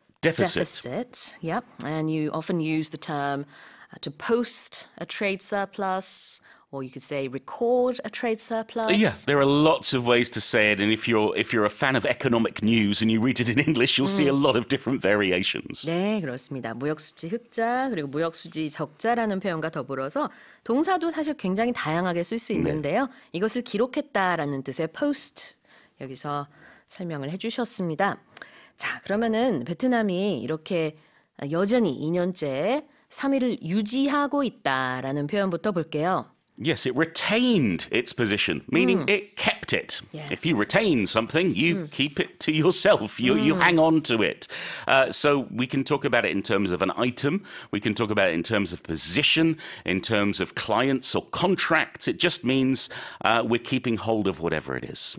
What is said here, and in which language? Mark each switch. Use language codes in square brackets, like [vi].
[en] deficit. Yep. And you often use the term to post a trade surplus, or you could say record a trade surplus. Yeah, there are lots of ways to say it, and if you're a fan of economic news and you read it in English, you'll see a lot of different variations. [ko] 네, 그렇습니다. 무역수지 흑자 그리고 무역수지 적자라는 표현과 더불어서 동사도 사실 굉장히 다양하게 쓸 수 있는데요. 네. 이것을 기록했다라는 뜻의 post 여기서 설명을 해주셨습니다. 자, 그러면은 베트남이 이렇게 여전히 2년째 3위를 유지하고 있다라는 표현부터 볼게요. [en] Yes, it retained its position, meaning it kept it. Yes. If you retain something, you keep it to yourself. You hang on to it. So we can talk about it in terms of an item. We can talk about it in terms of position, in terms of clients or contracts. It just means we're keeping hold of whatever it is.